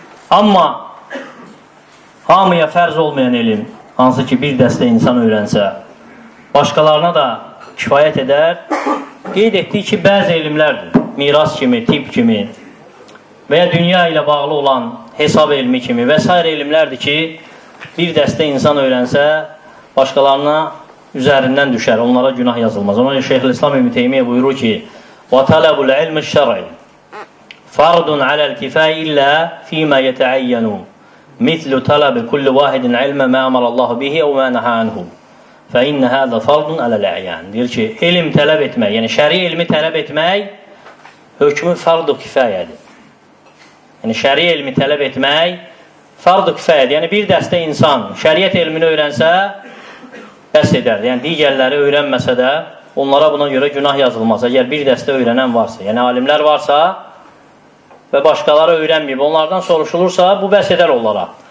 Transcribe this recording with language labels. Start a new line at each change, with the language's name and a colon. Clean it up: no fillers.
Azerbaijani: Amma hamıya fərz olmayan elm, hansı ki bir dəstə insan öyrənsə, başqalarına da kifayət edər, qeyd etdiyi ki, bəzi elmlərdir. Miras kimi, tip kimi və ya dünya ilə bağlı olan hesab elmi kimi və s. elmlərdir ki, bir dəstə insan öyrənsə, başqalarına üzərindən düşər, onlara günah yazılmaz.
Arabic: Ona Şeyx İslam İbn Teymiyyə buyurur ki, وَتَلَبُ الْعِلْمِ الشَّرْعِ فَرْضٌ عَلَى الْكِفَاءِ إِلَّا فِي مَا يَتَعَيَّنُونَ مِثْلُ تَلَبِ كُلِّ وَاحِدٍ عِلْمَ مَا أَمَرَ اللَّهُ بِهِ وَمَا نَهَى عَنْهُ فَإِنَّ هَذَا فَرْضٌ عَلَى الْأَعْيَانِ
Azerbaijani: Deyir ki, ilm tələb etmək, yəni şəri ilmi tələb etmək hökmü fardu kifayədir. Yəni şəri ilmi tələb etmək fardu kifayədir. Yəni bir dəstə insan şəriət ilmini öyrənsə bəs edər. Yəni digərləri öyrənməsə də onlara buna görə günah yazılmaz. Əgər bir dəstə öyrənən varsa, yəni alimlər varsa və başqaları öyrənməyib, onlardan soruşulursa, bu bəs edər onlara.